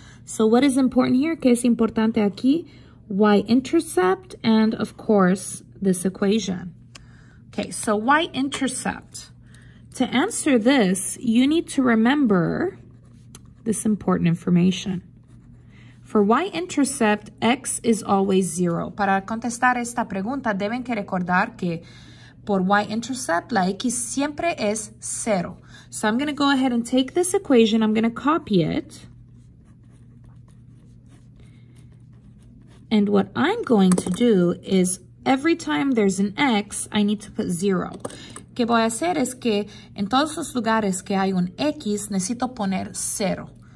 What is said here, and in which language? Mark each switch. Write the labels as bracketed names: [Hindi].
[English] So what is important here? [Spanish] ¿Qué es importante aquí? [English] Y-intercept and, of course, this equation. Okay, so y-intercept. To answer this, you need to remember this important information. For y-intercept, x is always 0. [Spanish] Para contestar esta pregunta, deben que recordar que por y-intercept, la x siempre es 0. [English] So I'm going to go ahead and take this equation. I'm going to copy it. And what I'm going to do is every time there's an x, I need to put 0. [Spanish] ¿Qué voy a hacer es que en todos los lugares que hay un x, necesito poner 0.